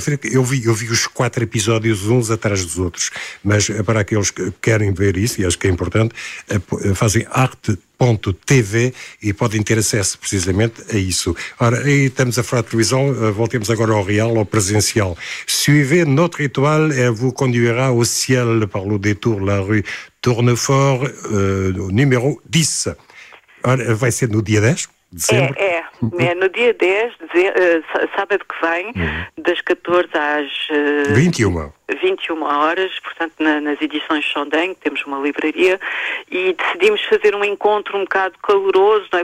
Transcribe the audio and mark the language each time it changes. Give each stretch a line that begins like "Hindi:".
Portuguese: Eu vi os quatro episódios uns atrás dos outros, mas para aqueles que querem ver isso, e acho que é importante, fazem arte.tv e podem ter acesso precisamente a isso. Ora, aí estamos a falar de televisão, voltemos agora ao real, ao presencial.
French: Suivez notre étoile, elle vous conduira au ciel par le détour la rue Tournefort, número 10.
Portuguese: Ora, vai ser no dia 10 de dezembro? É no dia 10, sábado que vem, das 14 às 21 horas, portanto, nas edições Chandin, temos uma livraria, e decidimos fazer um encontro um bocado caloroso, não é?